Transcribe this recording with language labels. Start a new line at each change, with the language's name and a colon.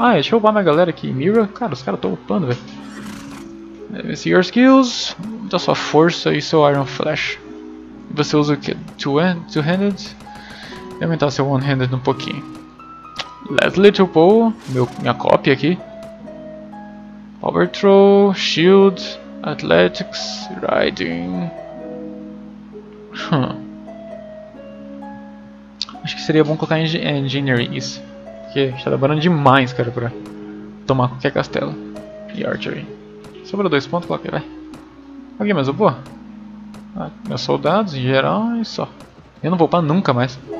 Portuguese: Ah, deixa eu upar minha galera aqui. Mira. Cara, os caras estão upando, velho.
English: Let me see your skills.
Portuguese: Da sua força e seu Iron Flash. Você usa o que? Two-handed? Vou aumentar seu one-handed um pouquinho. Leslie Tupo, minha cópia aqui.
English: Power Throw, Shield, Athletics, Riding.
Portuguese: Acho que seria bom colocar Engineering isso. Porque a gente tá trabalhando demais, cara, pra tomar qualquer castelo. E Archery. Sobrou dois pontos, coloca aí, vai. Alguém mais upou? Ah, meus soldados em geral e só. Eu não vou upar nunca mais.